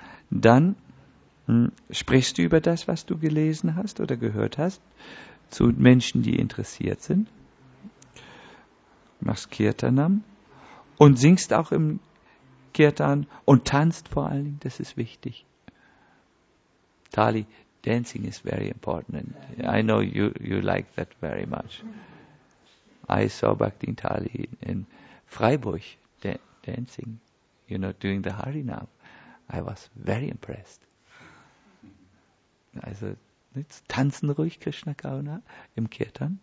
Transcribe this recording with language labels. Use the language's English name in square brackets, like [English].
[German] Dann sprichst du über das, was du gelesen hast oder gehört hast, zu Menschen, die interessiert sind. Machst Kirtanam und singst auch im Kirtan und tanzt vor allen Dingen, das ist wichtig. [English] Tali, dancing is very important. And I know you like that very much. I saw Bhakti Tali in Freiburg dancing, you know, doing the Harinam. I was very impressed. [German] Also, jetzt tanzen ruhig Krishna Kauna im Kirtan.